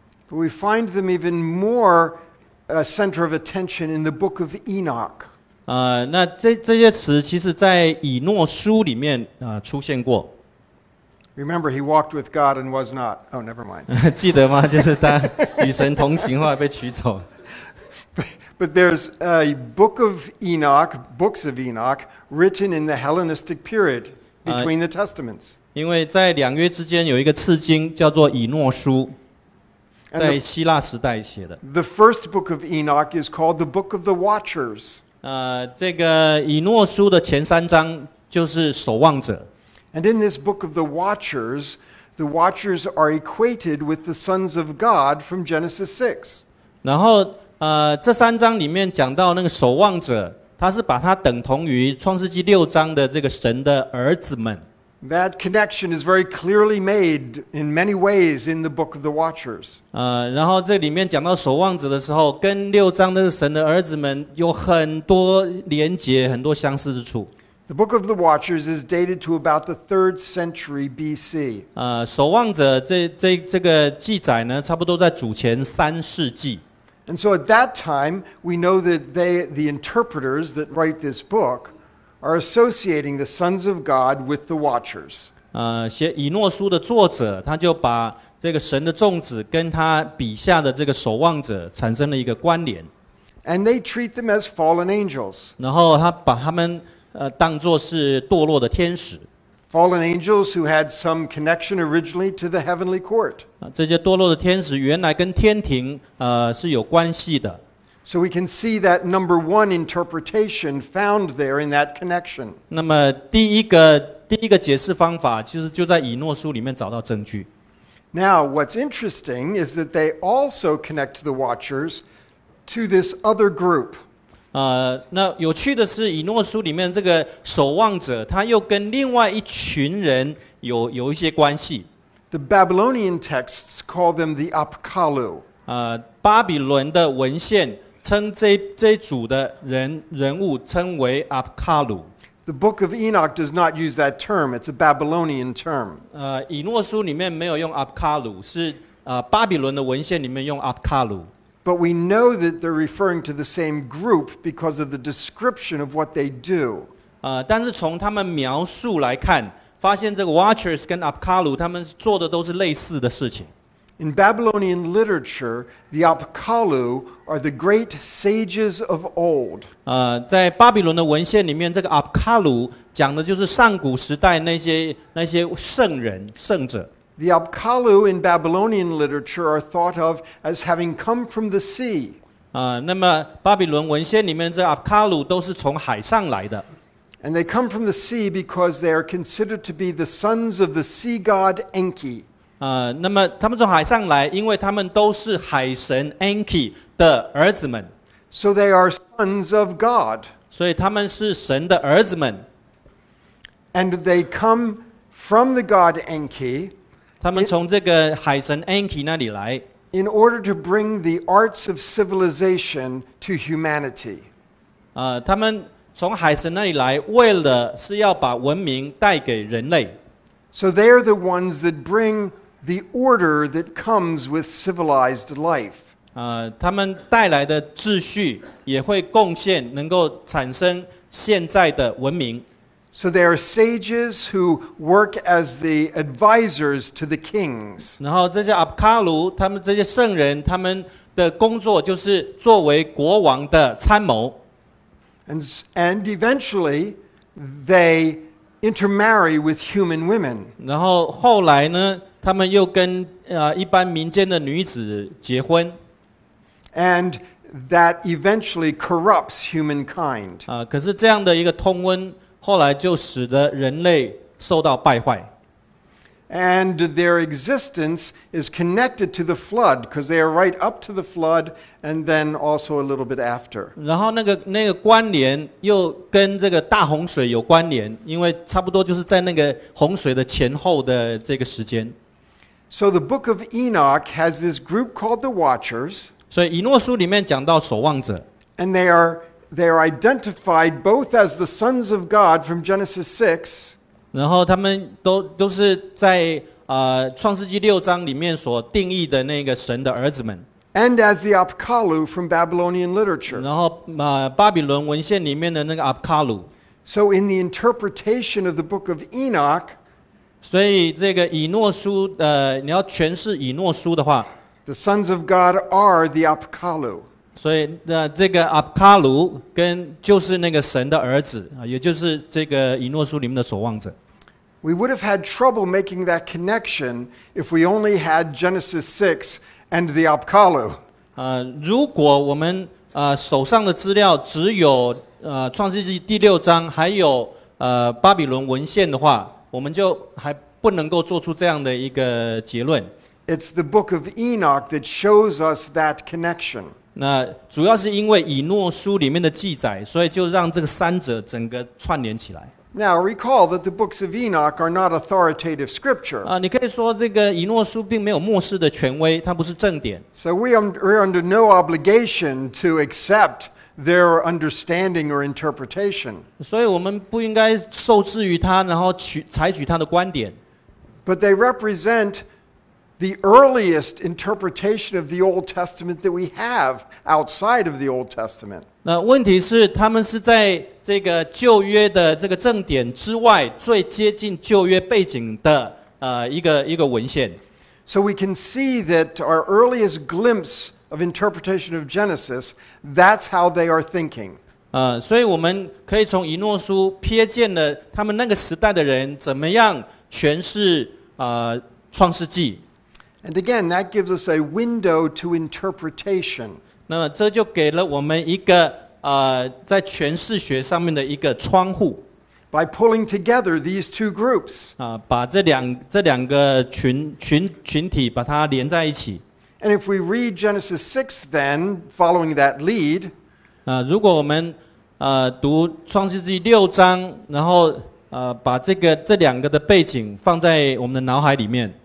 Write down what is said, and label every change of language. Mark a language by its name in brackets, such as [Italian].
[English] But we find them even more. A center of attention in the book of Enoch. [Chinese] 那这些词其实在以诺书里面出现过。 [English] Remember, he walked with God and was not. Oh, never mind. [Chinese] 记得吗？就是他与神同行，后来被取走。 [English] But there's a book of Enoch, books of Enoch, written in the Hellenistic period between the Testaments. [Chinese] 因为在两约之间有一个次经叫做以诺书。在希腊时代写的。 [English] The first book of Enoch is called the Book of the Watchers. [Chinese] 这个以诺书的前三章就是守望者。 [English] And in this Book of the Watchers are equated with the sons of God from Genesis 6. [Chinese] 然后这三章里面讲到那个守望者，他是把它等同于创世纪六章的这个神的儿子们。 [English] That connection is very clearly made in many ways in the Book of the Watchers. [Chinese] 然后这里面讲到守望者的时候，跟六章的神的儿子们有很多连结，很多相似之处。 [English] The Book of the Watchers is dated to about the 3rd century BC. [Chinese] 守望者这个记载呢，差不多在主前三世纪。 [English] And so at that time, we know that the interpreters that write this book. Are associating the sons of God with the watchers. [Chinese] 写以诺书的作者，他就把这个神的众子跟他笔下的这个守望者产生了一个关联。 [English] And they treat them as fallen angels. [Chinese] 然后他把他们当作是堕落的天使。 [English] Fallen angels who had some connection originally to the heavenly court. [Chinese] 这些堕落的天使原来跟天庭是有关系的。 [English] So we can see that number one interpretation found there in that connection. [Chinese] 那么第一个解释方法其实就在以诺书里面找到证据。 [English] Now what's interesting is that they also connect the watchers to this other group. [Chinese] 那有趣的是以诺书里面这个守望者他又跟另外一群人有一些关系。 [English] The Babylonian texts call them the Apkallu. [Chinese] 巴比伦的文献称这组的人物称为 Apkallu. [English] The Book of Enoch does not use that term. It's a Babylonian term. [Chinese] 以诺书里面没有用 Apkallu， 是巴比伦的文献里面用 Apkallu. [English] But we know that they're referring to the same group because of the description of what they do. [Chinese] 但是从他们描述来看，发现这个 Watchers 跟 Apkallu 他们做的都是类似的事情。 [English] In Babylonian literature, the Apkallu are the great sages of old. [Chinese] 在巴比伦的文献里面，这个 Apkallu 讲的就是上古时代那些圣人圣者。 [English] The Apkallu in Babylonian literature are thought of as having come from the sea. [Chinese] 那么巴比伦文献里面这 Apkallu 都是从海上来的。 [English] And they come from the sea because they are considered to be the sons of the sea god Enki. [Chinese] 那么他们从海上来，因为他们都是海神 Enki 的儿子们。 [English] So they are sons of God. [Chinese] 所以他们是神的儿子们。 [English] And they come from the god Enki. [Chinese] 他们从这个海神 Enki 那里来。 [English] In order to bring the arts of civilization to humanity. [Chinese] 他们从海神那里来，为了是要把文明带给人类。 [English] So they are the ones that bring the order that comes with civilized life. [Chinese] 他们带来的秩序也会贡献，能够产生现在的文明。 [English] So they are sages who work as the advisors to the kings. [Chinese] 然后这些阿卡鲁，他们这些圣人，他们的工作就是作为国王的参谋。 [English] And eventually, they intermarry with human women. [Chinese] 然后后来呢，他们又跟一般民间的女子结婚。 [English] And that eventually corrupts humankind. [Chinese] 可是这样的一个通婚，后来就使得人类受到败坏。 [English] And their existence is connected to the flood because they are right up to the flood and then also a little bit after. [Chinese] 然后那个关联又跟这个大洪水有关联，因为差不多就是在那个洪水的前后的这个时间。 [English] So the book of Enoch has this group called the Watchers. [Chinese] 所以以诺书里面讲到守望者。 [English] And they are identified both as the sons of God from Genesis 6. [Chinese] 然后他们 都是在创世纪六章里面所定义的那个神的儿子们。 [English] And as the Apkallu from Babylonian literature. [Chinese] 然后巴比伦文献里面的那个 Apkallu. [English] So in the interpretation of the book of Enoch. [Chinese] 所以这个以诺书你要诠释以诺书的话。 [English] The sons of God are the Apkallu. [Chinese] 所以这个 Apkallu 跟就是那个神的儿子，也就是这个以诺书里面的守望者。 [English] We would have had trouble making that connection if we only had Genesis 6 and the Apkallu. [Chinese] 如果我们手上的资料只有创世纪第六章，还有巴比伦文献的话，我们就还不能够做出这样的一个结论。 [English] It's the book of Enoch that shows us that connection. [Chinese] 那主要是因为以诺书里面的记载，所以就让这个三者整个串联起来。 [English] Now recall that the books of Enoch are not authoritative scripture. [Chinese] 你可以说这个以诺书并没有末世的权威，它不是正典。 [English] So we are under no obligation to accept their understanding or interpretation. [Chinese] 所以我们不应该受制于它，然后采取它的观点。 [English] But they represent the earliest interpretation of the Old Testament that we have outside of the Old Testament. [Chinese] 那问题是他们是在这个旧约的这个正典之外最接近旧约背景的一个文献。 [English] So we can see that our earliest glimpse of interpretation of Genesis, that's how they are thinking. [Chinese] 所以我们可以从以诺书瞥见了他们那个时代的人怎么样诠释创世纪。 [English] And again, that gives us a window to interpretation. [Chinese] 那这就给了我们一个在诠释学上面的一个窗户。 [English] By pulling together these two groups. [Chinese] 把这两个群体把它连在一起。 [English] And if we read Genesis 6 then, following that lead. [Chinese] 如果我们读创世纪六章，然后把这两个的背景放在我们的脑海里面。